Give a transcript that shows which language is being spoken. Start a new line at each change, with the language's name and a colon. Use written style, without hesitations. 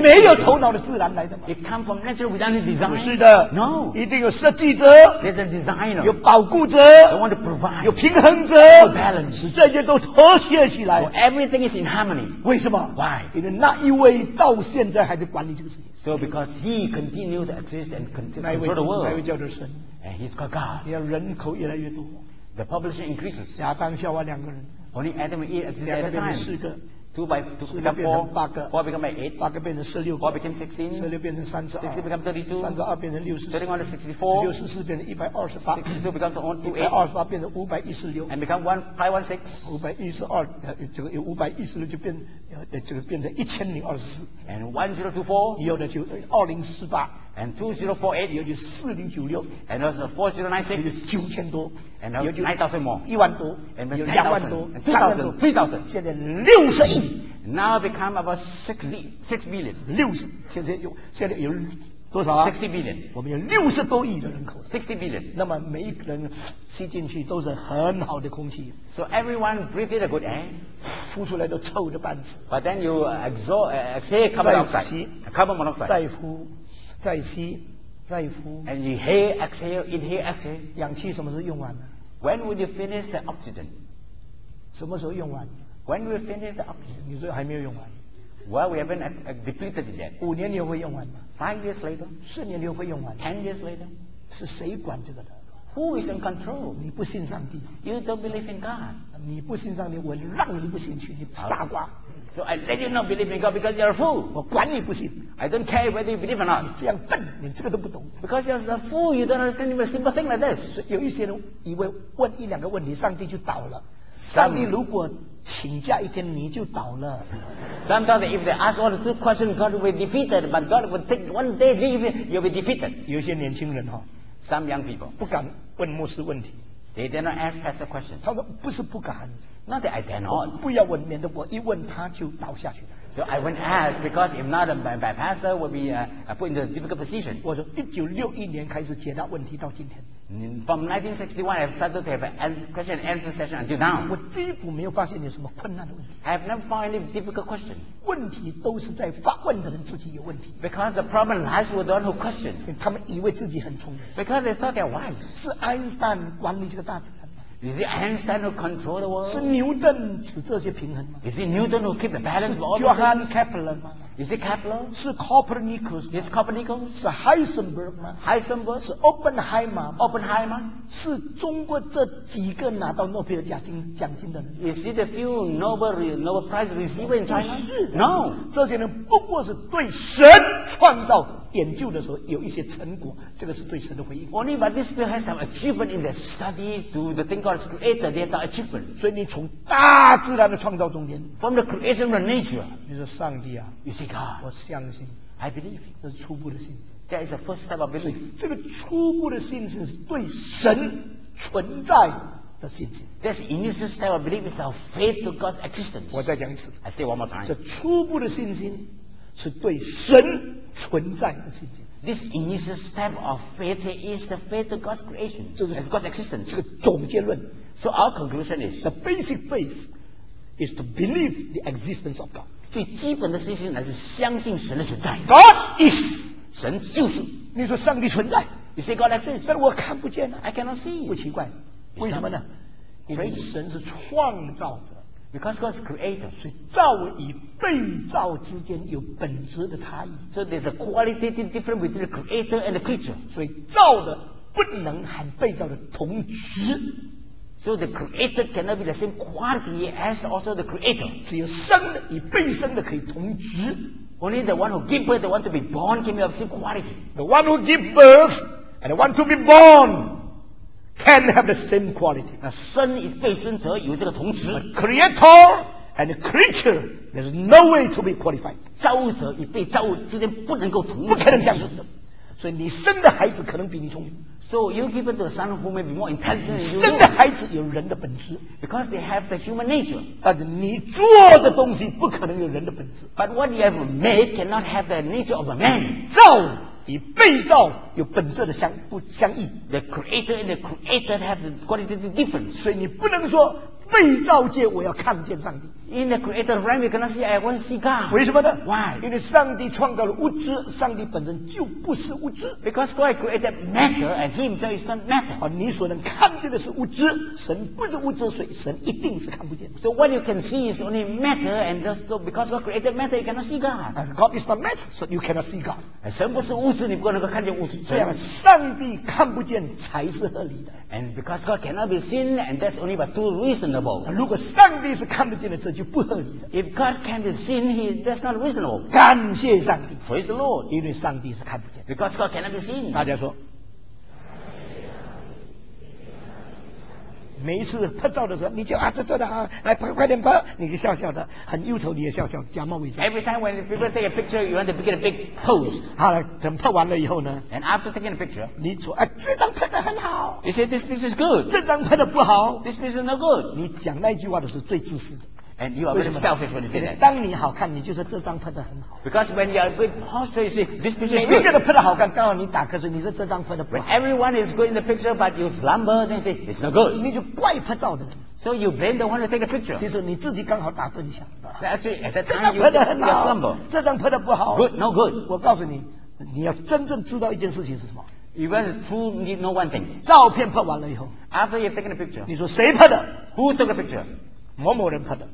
Chinese: 没有头脑的自然来的吗
English: ？It come from nature without any design.
Chinese: 不是的
English: ，No.
Chinese: 一定有设计者
English: ，There's a designer.
Chinese: 有保护者
English: ，They want to provide.
Chinese: 有平衡者
English: ，For balance.
Chinese: 使这些都和谐起来
English: ，So everything is in harmony.
Chinese: 为什么
English: ？Why?
Chinese: 因为那一位到现在还在管理这个世界。
English: So because he continued to exist and continue for the world.
Chinese: 那位叫做神。
English: And he's got God.
Chinese: 要人口越来越多。
English: The population increases.
Chinese: 亚当夏娃两个人。
English: Only Adam and Eve exist at a time.
Chinese: 两个变成四个。
English: two by two become four, four become eight,
Chinese: 八个变成十六,
English: four become 16,
Chinese: 16变成32,
English: 16 become 32,
Chinese: 32变成64,
English: 31 to 64,
Chinese: 64变成128,
English: 62 become
Chinese: 128变成516,
English: and become 1516,
Chinese: 512, 这个516就变成1024,
English: and 1024,
Chinese: 以后呢就2048,
English: and 2048,
Chinese: 以后就4096,
English: and also 4096,
Chinese: 9000多,
English: and 9000 more,
Chinese: 1万多,
English: and
Chinese: 2万多,
English: 3000,
Chinese: 现在60亿,
English: now become about 60 billion,
Chinese: 60, 现在有 多少啊?
English: 60 billion,
Chinese: 我们有60多亿的人口,
English: 60 billion,
Chinese: 那么每一个人吸进去都是很好的空气,
English: so everyone breathe in a good air,
Chinese: 呼出来都臭的半死,
English: but then you exhale carbon dioxide, carbon monoxide,
Chinese: 再呼再吸再呼,
English: and you inhale exhale inhale exhale,
Chinese: 氧气什么时候用完了?
English: When will you finish the oxygen?
Chinese: 什么时候用完?
English: When will you finish the oxygen?
Chinese: 你说还没有用完?
English: Well, we haven't depleted it yet.
Chinese: 5年你会用完吗?
English: 5 years later.
Chinese: 10年你会用完吗?
English: 10 years later.
Chinese: 是谁管这个的?
English: Who is in control?
Chinese: 你不信上帝?
English: You don't believe in God.
Chinese: 你不信上帝, 我让你不信去, 你傻瓜。
English: So I let you not believe in God because you're a fool.
Chinese: 我管你不信。
English: I don't care whether you believe or not.
Chinese: 你这样笨, 你这个都不懂。
English: Because you're a fool, you don't understand even a simple thing like this.
Chinese: 有一些人以为问一两个问题, 上帝就倒了。上帝如果请假一天, 你就倒了。
English: Sometimes if they ask one or two questions, God will be defeated, but God will take one day leave, you'll be defeated.
Chinese: 有些年轻人,
English: some young people,
Chinese: 不敢问牧师问题。
English: They dare not ask pastor questions.
Chinese: 他说不是不敢,
English: not that I dare not.
Chinese: 我不要问, 免得我一问他就倒下去。
English: So I won't ask, because if not, my pastor will be put into a difficult position.
Chinese: 我说1961年开始解答问题到今天。
English: From 1961, I've started to have an question and answer session until now.
Chinese: 我几乎没有发现有什么困难的问题。
English: I've never found any difficult question.
Chinese: 问题都是在发问的人自己有问题。
English: Because the problem lies with the one who questions.
Chinese: 他们以为自己很聪明。
English: Because they thought they're wise.
Chinese: 是爱因斯坦管理这个大自然吗?
English: Is it Einstein who controls the world?
Chinese: 是牛顿使这些平衡吗?
English: Is it Newton who keeps the balance of all the things?
Chinese: 是Johann Kepler吗?
English: Is it Kepler?
Chinese: 是 Copernicus.
English: Is Copernicus?
Chinese: 是 Heisenberg吗?
English: Heisenberg.
Chinese: 是 Oppenheimer.
English: Oppenheimer.
Chinese: 是中国这几个拿到诺贝尔奖金的人。
English: Is it the few Nobel Prize receiver in China?
Chinese: 是。
English: No.
Chinese: 这些人不过是对神创造。研究的时候有一些成果，这个是对神的回应。
English: Only but this people has some achievement in their study to the thing God has created. They have some achievement.
Chinese: 所以你从大自然的创造中间
English: ，from the creation of nature，
Chinese: 你说上帝啊
English: ，You see God，
Chinese: 我相信
English: ，I believe，
Chinese: 这是初步的信。
English: That is the first step of belief.
Chinese: 这个初步的信心是对神存在。
English: That's initial step of belief is our faith to God's existence.
Chinese: 我再讲一次
English: ，I say one more time.
Chinese: 这初步的信心。是对神存在的信心。
English: This initial step of faith is the faith of God's creation.
Chinese: 就是
English: God's existence.
Chinese: 这个总结论。
English: So our conclusion is the basic faith is to believe the existence of God.
Chinese: 最基本的信心乃是相信神的存在。
English: God is
Chinese: 神就是。你说上帝存在。
English: You say God exists.
Chinese: 但我看不见。
English: I cannot see.
Chinese: 不奇怪。为什么呢？因为神是创造者。
English: Because God's creator,
Chinese: 所以造与被造之间有本质的差异。
English: So there's a qualitative difference between the creator and the creature.
Chinese: 所以造的不能和被造的同质。
English: So the creator cannot be the same quality as also the creator.
Chinese: 只有生的与被生的可以同质。
English: Only the one who gives birth, the one to be born, can be of the same quality. The one who gives birth and the one to be born. Can have the same quality.
Chinese: 那生与被生者有这个同时。
English: Creator and creature, there's no way to be qualified.
Chinese: 造物者与被造物之间不能够同时。不可能这样子的。所以你生的孩子可能比你聪明。
English: So you given to the son who may be more intelligent than you.
Chinese: 生的孩子有人的本质。
English: Because they have the human nature.
Chinese: 但是你做的东西不可能有人的本质。
English: But what you have made cannot have the nature of a man.
Chinese: 造。与被造有本质的相异。
English: The creator and the created have the qualitative difference.
Chinese: 所以你不能说被造界我要看见上帝。
English: In the creator realm, you cannot see, I want to see God.
Chinese: 为什么呢？
English: Why?
Chinese: 因为上帝创造了物质， 上帝本身就不是物质。
English: Because God created matter and he himself is not matter.
Chinese: 你所能看见的是物质， 神不是物质， 所以神一定是看不见。
English: So what you can see is only matter, and so because God created matter, you cannot see God. God is not matter, so you cannot see God.
Chinese: 神不是物质， 你不能够看见物质。这样上帝看不见才是合理的。
English: And because God cannot be seen, and that's only but too reasonable.
Chinese: 如果上帝是看不见的， 这就就不合理了。
English: If God can't see, he that's not reasonable.
Chinese: 感谢上帝
English: ，Praise the Lord，
Chinese: 因为上帝是看不见。
English: Because God cannot be seen.
Chinese: 大家说，每一次拍照的时候，你就啊，这做的啊，来拍，快点拍，你就笑笑的，很忧愁，你也笑笑，假冒伪善。
English: Every time when people take a picture, you want to get a big pose.
Chinese: 好了，等拍完了以后呢
English: ？And after taking the picture,
Chinese: 你说啊，这张拍的很好。
English: You say this picture is good.
Chinese: 这张拍的不好。
English: This picture is no good.
Chinese: 你讲那句话的是最自私的。
English: And you are very selfish when you say that.
Chinese: 当你好看，你就说这张拍的很好。
English: Because when you are good posture, you say this picture is good.
Chinese: 每一个人拍的好看，刚好你打瞌睡，你说这张拍的不好。
English: When everyone is good in the picture, but you slumber, then you say it's not good.
Chinese: 你就怪拍照的人。
English: So you blame the one who take the picture.
Chinese: 其实你自己刚好打分享。
English: Actually, at that time, you just slumber.
Chinese: 这张拍的不好。
English: Good, no good.
Chinese: 我告诉你，你要真正知道一件事情是什么。
English: You want to truly know one thing.
Chinese: 照片拍完了以后。
English: After you've taken the picture.
Chinese: 你说谁拍的
English: ？Who took the picture?
Chinese: 某某人拍的